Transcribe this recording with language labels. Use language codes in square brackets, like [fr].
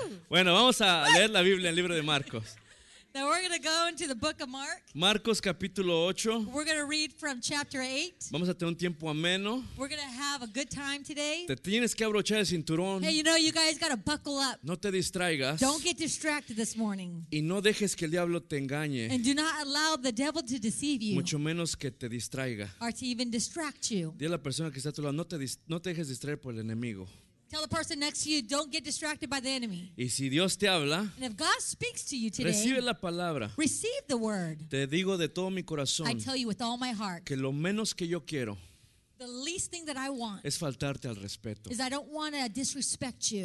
[es] Bueno, vamos a leer la Biblia, el libro de Marcos. [en] Now we're going to go into the book of Mark. [es] Marcos capítulo 8. [en] We're going to read from chapter 8. [es] Vamos a tener un tiempo ameno. [en] We're going to have a good time today. [es] Te tienes que abrochar el cinturón. [en] Hey, you know, you guys got to buckle up. [es] No te distraigas. [en] Don't get distracted this morning. [es] Y no dejes que el diablo te engañe. [en] And do not allow the devil to deceive you. [es] Mucho menos que te distraiga. [en] Or to even distract you. [es] Dile a la persona que está a tu lado, no te dejes distraer por el enemigo. [en] Tell the person next to you, don't get distracted by the enemy. [es] Y si Dios te habla, [en] and if God speaks to you today, [es] recibe la palabra. [en] Receive the word. [es] Te digo de todo mi corazón, [en] I tell you with all my heart, [es] que lo menos que yo quiero, [en] the least thing that I want, [es] es faltarte al respeto. [en] Is I don't want to disrespect you.